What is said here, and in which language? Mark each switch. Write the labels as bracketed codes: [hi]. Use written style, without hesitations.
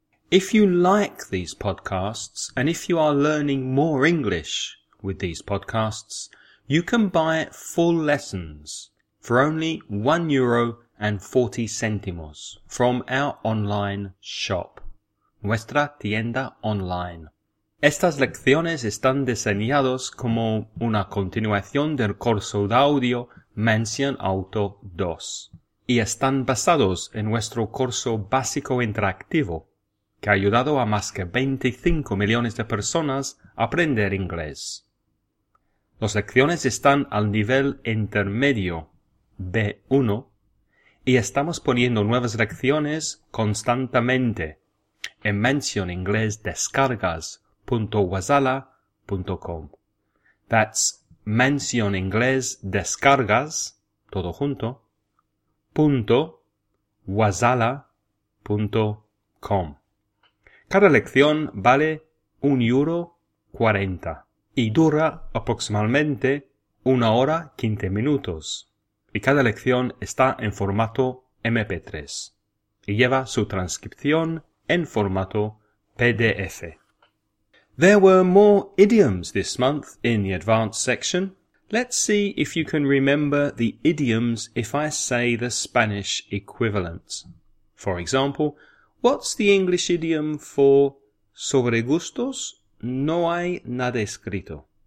[en] If you like these podcasts, and if you are learning more English with these podcasts, you can buy full lessons for only 1 euro and 40 centimos from our online shop, [es] nuestra tienda online. Estas lecciones están diseñadas como una continuación del curso de audio Mansion Auto 2 y están basados en nuestro curso básico interactivo que ha ayudado a más que 25 millones de personas a aprender inglés. Las lecciones están al nivel intermedio B1 y estamos poniendo nuevas lecciones constantemente en mansioningles.descargas.wasala.com. [en] That's mansioningles.descargas, [es] todo junto, [en] .wasala.com. [es] Cada lección vale 1,40 € y dura aproximadamente 1 hora 15 minutos. Y cada lección está en formato MP3 y lleva su transcripción en formato PDF. [en] There were more idioms this month in the advanced section. Let's see if you can remember the idioms if I say the Spanish equivalent. For example, what's the English idiom for [es] sobre gustos no hay nada escrito?